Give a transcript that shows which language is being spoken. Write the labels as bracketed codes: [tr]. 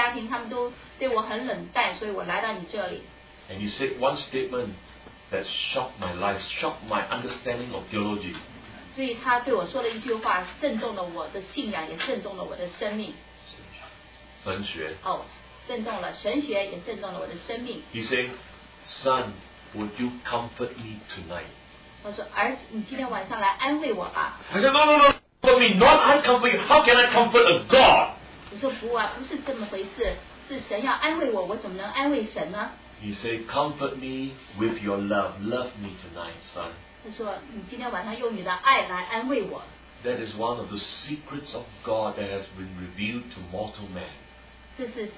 [zh] 我刚刚才去拜访了两个家庭，他们都对我很冷淡，所以我来到你这里。 [en] And he said one statement that shocked my life, shocked my understanding of theology. [zh] 所以他对我说了一句话，震动了我的信仰，也震动了我的生命。神学。哦，震动了神学，也震动了我的生命。 [en] He said, Son, would you comfort me tonight? [zh] 他说，儿子，你今天晚上来安慰我吧。 [en] I said, No. For me, not I comfort you. How can I comfort a God? [zh] 我说不啊，不是这么回事。是神要安慰我，我怎么能安慰神呢？ [en] He said, "Comfort me with your love. Love me tonight, son." [zh] 他说，你今天晚上用你的爱来安慰我。 [en] That is one of the secrets of God that has been revealed to mortal man.